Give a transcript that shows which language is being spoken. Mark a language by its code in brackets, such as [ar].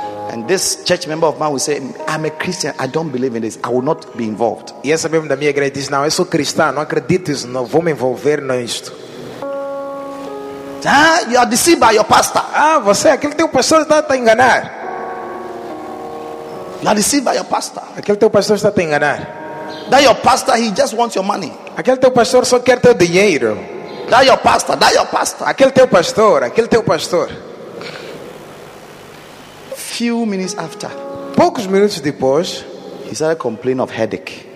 [en] And this church member of mine will say, I'm a Christian, I don't believe in this, I will not be involved. [pt] E essa membro da minha igreja diz, não, eu sou cristã, não acredito nisso, não vou me envolver nisto. [en] Ah, you are deceived by your pastor. [pt] Ah, você, aquele teu pastor está a te enganar. [en] You are deceived by your pastor. [pt] Aquele teu pastor está a te enganar. [en] That your pastor, he just wants your money. [pt] Aquele teu pastor só quer teu dinheiro. [en] That your pastor, that your pastor. [pt] Aquele teu pastor, aquele teu pastor. [en] Few minutes after. [pt] Poucos minutos depois, [en] he started complaining of headache.